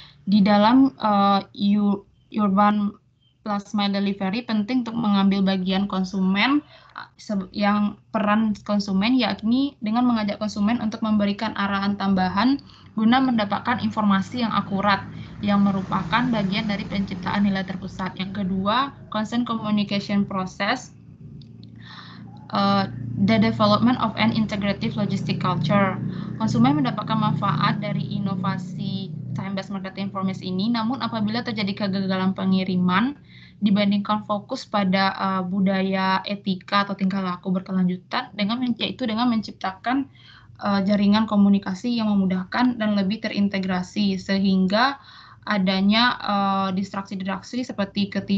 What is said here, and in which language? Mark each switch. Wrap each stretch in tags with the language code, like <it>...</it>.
<id>Di dalam urban last mile delivery, penting untuk mengambil bagian konsumen, yang peran konsumen, yakni dengan mengajak konsumen untuk memberikan arahan tambahan guna mendapatkan informasi yang akurat, yang merupakan bagian dari penciptaan nilai terpusat. Yang kedua,</id> <en>consent communication process. The development of an integrative logistic culture.</en> <id>Konsumen mendapatkan manfaat dari inovasi time-based marketing promise ini, namun apabila terjadi kegagalan pengiriman, dibandingkan fokus pada budaya etika atau tingkah laku berkelanjutan, dengan menciptakan jaringan komunikasi yang memudahkan dan lebih terintegrasi, sehingga adanya distraksi-distraksi seperti</id>